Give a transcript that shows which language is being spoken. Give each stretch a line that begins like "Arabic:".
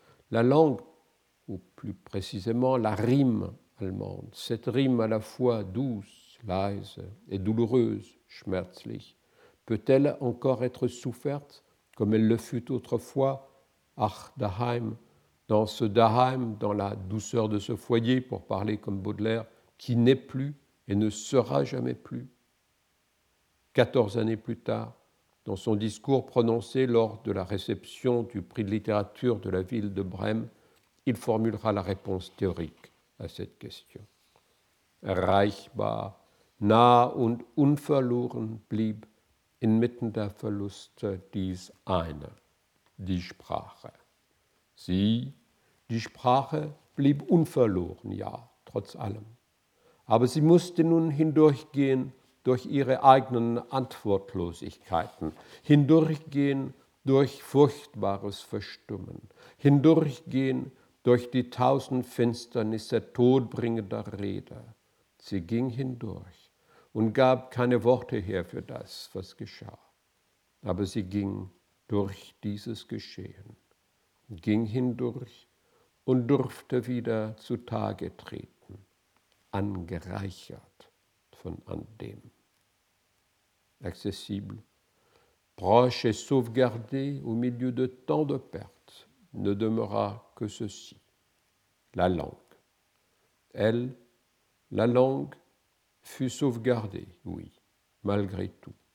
French: La langue, ou plus précisément la rime allemande, cette rime à la fois douce, leise et douloureuse, schmerzlich, peut-elle encore être soufferte comme elle le fut autrefois,
German: ach daheim,
French: dans ce daheim, dans la douceur de ce foyer, pour parler comme Baudelaire, qui n'est plus et ne sera jamais plus. 14 années plus tard, dans son discours prononcé lors de la réception du prix de littérature de la ville de Brême, il formulera la réponse théorique à cette question.
German: Erreichbar, nah und unverloren blieb inmitten der Verluste dies eine, die Sprache. Sie, die Sprache blieb unverloren, ja, trotz allem. Aber sie musste nun hindurchgehen durch ihre eigenen Antwortlosigkeiten, hindurchgehen durch furchtbares Verstummen, hindurchgehen durch die tausend Finsternisse todbringender Rede. Sie ging hindurch und gab keine Worte her für das, was geschah. Aber sie ging durch dieses Geschehen, ging hindurch und durfte wieder zutage treten, angereichert, von Andem.
French: Accessible, proche et sauvegardée au milieu de tant de pertes, ne demeura que ceci, la langue. Elle, la langue, fut sauvegardée, oui, malgré tout.